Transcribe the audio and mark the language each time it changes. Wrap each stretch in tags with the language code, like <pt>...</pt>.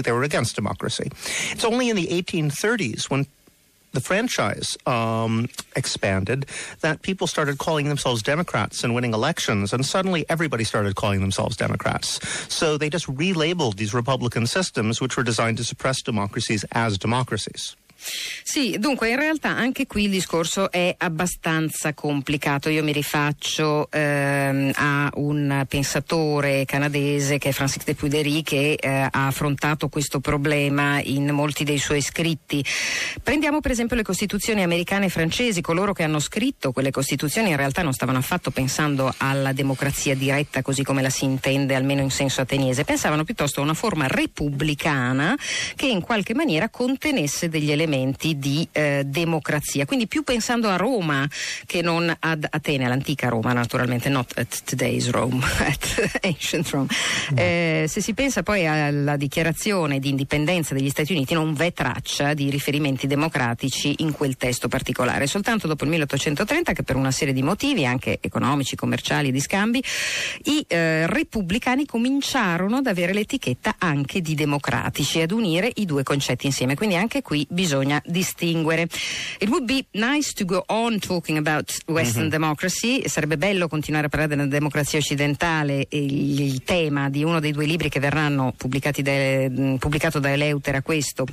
<en>They were against democracy. It's only in the 1830s when the franchise expanded that people started calling themselves Democrats and winning elections, and suddenly everybody started calling themselves Democrats. So they just relabeled these republican systems, which were designed to suppress democracies, as democracies.</en> <it>Sì, dunque in realtà anche qui il discorso è abbastanza complicato. Io mi rifaccio a un pensatore canadese che è Francis Dupuy-Dury, che ha affrontato questo problema in molti dei suoi scritti. Prendiamo per esempio le costituzioni americane e francesi. Coloro che hanno scritto quelle costituzioni in realtà non stavano affatto pensando alla democrazia diretta così come la si intende, almeno in senso ateniese. Pensavano piuttosto a una forma repubblicana che in qualche maniera contenesse degli elementi di democrazia, quindi più pensando a Roma che non ad Atene, all'antica Roma naturalmente,</it> <en>not at today's Rome, at ancient Rome.</en> <it>Se si pensa poi alla dichiarazione di indipendenza degli Stati Uniti, non v'è traccia di riferimenti democratici in quel testo particolare. Soltanto dopo il 1830, che per una serie di motivi anche economici, commerciali e di scambi, i repubblicani cominciarono ad avere l'etichetta anche di democratici, ad unire i due concetti insieme. Quindi anche qui bisogna distinguere.</it> <en>It would be nice to go on talking about Western mm-hmm. democracy.</en> <it>Sarebbe bello continuare a parlare della democrazia occidentale. Il tema di uno dei due libri che verranno pubblicato da Eleutera, questo.</it>